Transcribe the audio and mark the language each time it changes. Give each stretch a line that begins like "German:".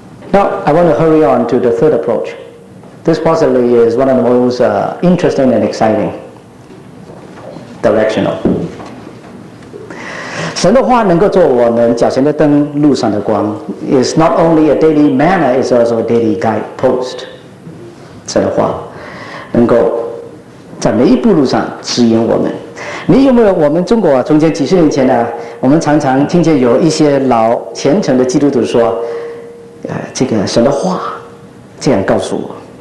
English: Now, I want to hurry on to the third approach. This possibly is one of the most interesting and exciting directional.
Chinese: 神的话能够做我们脚前的灯，路上的光。
English: It's not only a daily manner, it's also a daily guidepost.
Chinese: 神的话能够在每一步路上指引我们。你有没有我们中国啊，从前几十年前呢，我们常常听见有一些老虔诚的基督徒说，这个神的话这样告诉我。